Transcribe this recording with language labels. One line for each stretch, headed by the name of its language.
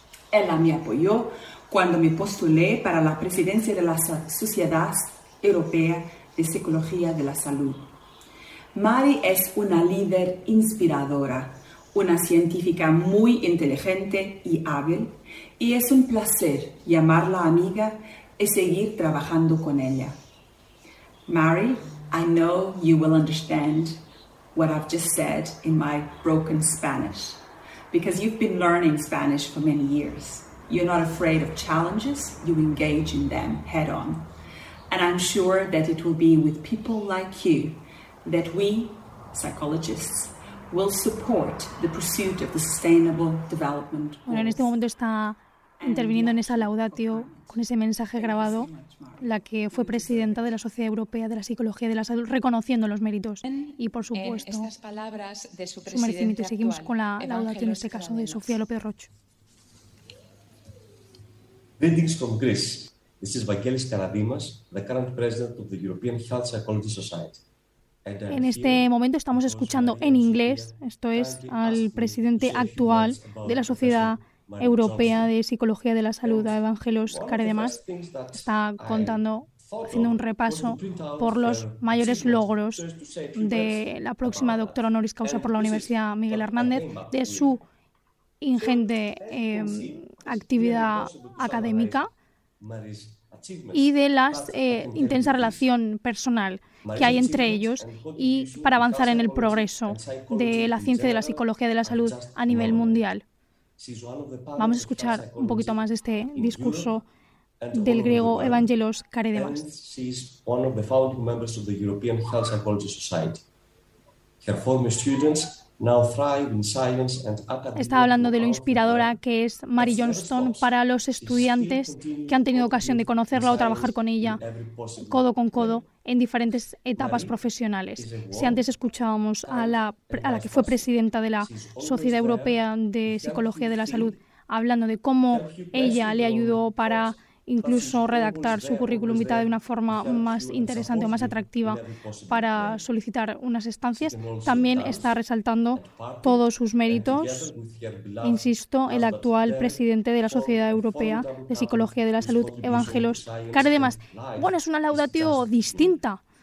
Spanish: Ella me apoyó cuando me postulé para la presidencia de la Sociedad Europea de Psicología de la Salud. Mari es una líder inspiradora, una científica muy inteligente y hábil, y es un placer llamarla amiga y seguir trabajando con ella.
English: Mari, I know you will understand what I've just said in my broken Spanish, because you've been learning Spanish for many years. You're not afraid of challenges, you engage in them head on. And I'm sure that it will be with people like you that we, psychologists, will support the pursuit of the sustainable development goals.
Spanish: Bueno, en este momento está interviniendo en esa laudatio con ese mensaje grabado, la que fue presidenta de la Sociedad Europea de la Psicología de la Salud, reconociendo los méritos y, por supuesto, en estas palabras de su, su merecimiento. Actual, y seguimos con la laudatio en este caso de Sofía López Roche.
English: Greetings from Greece. This is Vangelis Karadimas, the current president of the European Health Psychology Society.
Spanish: En este momento estamos escuchando en inglés, esto es, al presidente actual de la Sociedad Europea de Psicología de la Salud, a Evangelos Karadimas. Está contando, haciendo un repaso por los mayores logros de la próxima doctora honoris causa por la Universidad Miguel Hernández, de su ingente actividad académica y de la intensa relación personal que hay entre ellos y para avanzar en el progreso de la ciencia de la psicología de la salud a nivel mundial. Vamos a escuchar un poquito más de este discurso del griego Evangelos Karadimas.
English: She's one of the founding members of the European Health Psychology Society. Her former students now thrive in science and academic.
Spanish: Está hablando de lo inspiradora que es Mary Johnston para los estudiantes que han tenido ocasión de conocerla o trabajar con ella codo con codo en diferentes etapas profesionales. Si antes escuchábamos a la que fue presidenta de la Sociedad Europea de Psicología de la Salud hablando de cómo ella le ayudó para incluso redactar su currículum vitae de una forma más interesante o más atractiva para solicitar unas estancias, también está resaltando todos sus méritos, insisto, el actual presidente de la Sociedad Europea de Psicología de la Salud, Evangelos Karadimas. Bueno, es una laudatio distinta